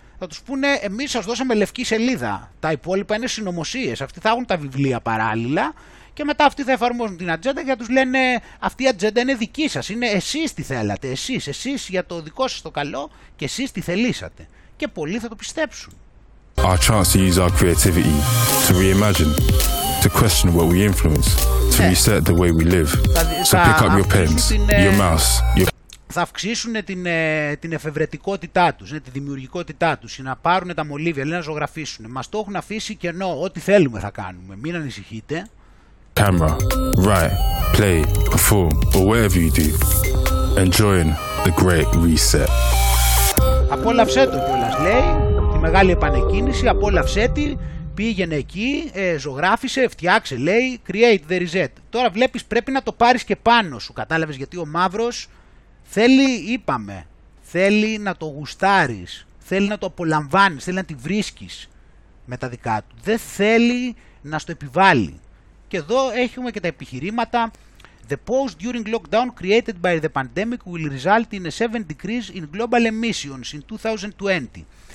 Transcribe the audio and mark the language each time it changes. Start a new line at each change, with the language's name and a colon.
Greek: Θα τους πούνε «Εμείς σας δώσαμε λευκή σελίδα, τα υπόλοιπα είναι συνωμοσίες, αυτοί θα έχουν τα βιβλία παράλληλα και μετά αυτοί θα εφαρμόζουν την ατζέντα και θα τους λένε «Αυτή η ατζέντα είναι δική σας, είναι εσείς τι θέλατε, εσείς για το δικό σας το καλό και εσείς τι θελήσατε». Και πολλοί θα το πιστέψουν.
English: Our chance to use our creativity to reimagine, to question what we influence, to reset the way we live. So pick up your pens, your mouse, your...
Greek: Θα αυξήσουν την εφευρετικότητά τους, τη δημιουργικότητά τους, να πάρουν τα μολύβια, λέει, να ζωγραφίσουν. Μας το έχουν αφήσει κενό, ό,τι θέλουμε θα κάνουμε. Μην ανησυχείτε.
English: Camera, write, play, perform, or whatever you do. Enjoying the great reset.
Greek: Απόλαυσέ το κιόλας, λέει, τη μεγάλη επανεκκίνηση, απόλαυσέ τη. Πήγαινε εκεί, ζωγράφισε, φτιάξε, λέει,
English: create the reset.
Greek: Τώρα βλέπεις, πρέπει να το πάρεις και πάνω σου, κατάλαβες, γιατί ο μαύρος θέλει, είπαμε, θέλει να το γουστάρεις, θέλει να το απολαμβάνεις, θέλει να τη βρίσκεις με τα δικά του. Δεν θέλει να στο επιβάλλει. Και εδώ έχουμε και τα επιχειρήματα.
English: The pause during lockdown created by the pandemic will result in a 7 degrees in global emissions in 2020.